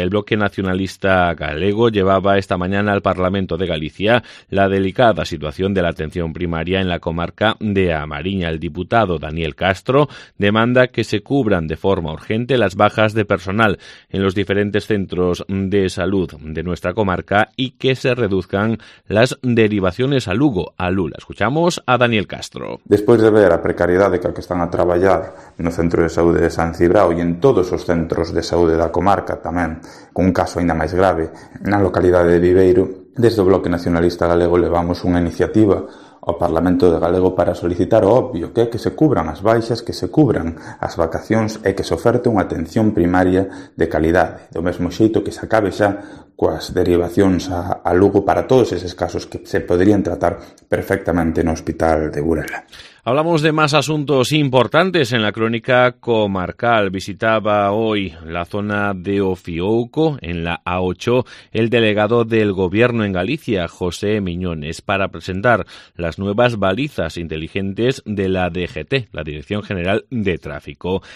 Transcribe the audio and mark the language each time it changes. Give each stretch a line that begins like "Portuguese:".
Spanish: El Bloque Nacionalista Galego llevaba esta mañana al Parlamento de Galicia la delicada situación de la atención primaria en la comarca de Amariña. El diputado Daniel Castro demanda que se cubran de forma urgente las bajas de personal en los diferentes centros de salud de nuestra comarca y que se reduzcan las derivaciones a Lugo, a Lula. Escuchamos a Daniel Castro. Después de ver la precariedad de que están a trabajar
Galician: no centro de saúde de San Cibrao e en todos os centros de saúde da comarca tamén, con un caso aínda máis grave na localidade de Viveiro, desde o Bloque Nacionalista Galego levamos unha iniciativa ao Parlamento de Galego para solicitar o obvio, que é que se cubran as baixas, que se cubran as vacacións e que se oferte unha atención primaria de calidade, do mesmo xeito que se acabe xa coas derivacións a Lugo para todos eses casos que se poderían tratar perfectamente no Hospital de Burela.
Spanish: Hablamos de más asuntos importantes en la crónica comarcal. Visitaba hoy la zona de Ofiouco, en la A8, el delegado del Gobierno en Galicia, José Miñones, para presentar las nuevas balizas inteligentes de la DGT, la Dirección General de Tráfico.